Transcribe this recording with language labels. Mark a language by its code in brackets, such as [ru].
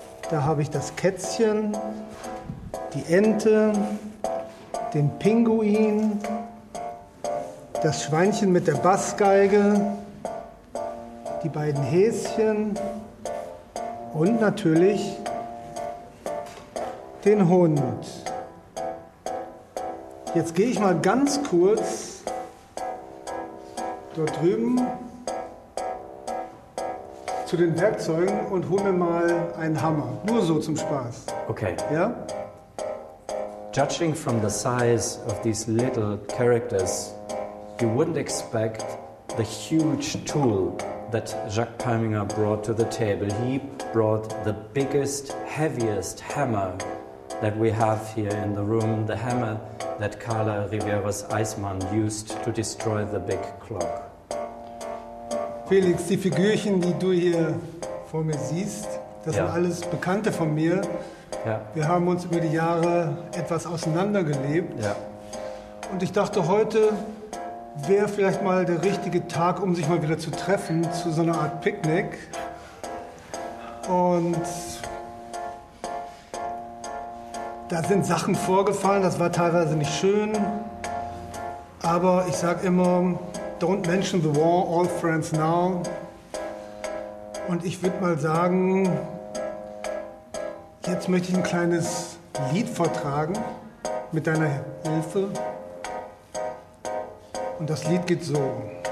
[de] Da habe ich das Kätzchen, die Ente, den Pinguin, das Schweinchen mit der Bassgeige, die beiden Häschen und natürlich den Hund. Jetzt gehe ich mal ganz kurz dort drüben zu den Werkzeugen und hol mir mal einen Hammer. Nur so zum Spaß. Okay. Ja? [en] Judging from the size of these little characters, you wouldn't expect the huge tool that Jacques Palminger brought to the table. He brought the biggest, heaviest hammer that we have here in the room. The hammer that Carla Rivera's Eismann used to destroy the big clock. [de] Felix, die Figürchen, die du hier vor mir siehst, das sind alles Bekannte von mir. Ja. Wir haben uns über die Jahre etwas auseinandergelebt. Ja. Und ich dachte, heute wäre vielleicht mal der richtige Tag, um sich mal wieder zu treffen, zu so einer Art Picknick. Und da sind Sachen vorgefallen, das war teilweise nicht schön. Aber ich sag immer, [en] don't mention the war, all friends now. [de] Und ich würde mal sagen, jetzt möchte ich ein kleines Lied vortragen, mit deiner Hilfe. Und das Lied geht so.